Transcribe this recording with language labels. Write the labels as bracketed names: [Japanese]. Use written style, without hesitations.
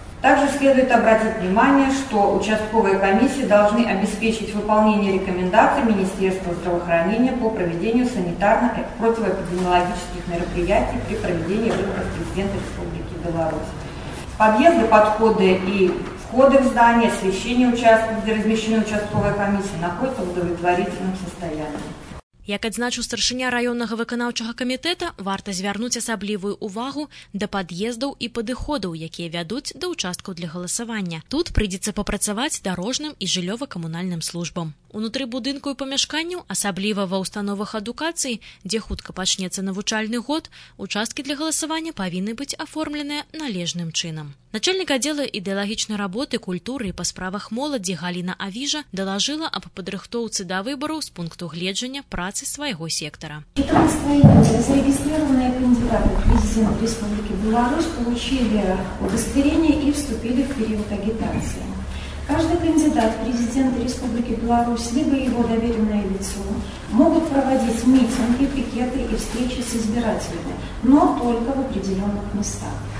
[Russian] Также следует обратить внимание, что участковые комиссии должны обеспечить выполнение рекомендаций Министерства здравоохранения по проведению санитарных и противоэпидемиологических мероприятий при проведении выборов президента Республики Беларусь. Подъезды, подходы и входы в здание, освещение участков, где размещены участковые комиссии, находятся в удовлетворительном состоянии. [Belarusian] Як адзначыў старшыня раённага выканаўчага камітэта, варта звярнуць асаблівую ўвагу да пад'ездаў і падыходаў, якія вядуць да ўчасткаў для галасавання. Тут прыйдзецца папрацаваць дарожным і жыллёва-камунальным службам. Унутры будынку і памяшканняў, асабліва ва ўстановах адукацыі, дзе хутка пачнецца навучальны год, участкі для галасавання павінны быць аформленыя належным чынам. Начальнік аддзела ідэалагічнай работы, культуры і па справах моладзі Галіна Авіжа далажыла аб падрыхтоўцы да выбараў з пункту гледжання працы свайго сектара. [Russian] 14 года зарегистрированные кандидаты президента Республики Беларусь получили удостоверение и вступили в период агитации. Каждый кандидат президента Республики Беларусь, либо его доверенное лицо, могут проводить митинги, пикеты и встречи с избирателями, но только в определенных местах.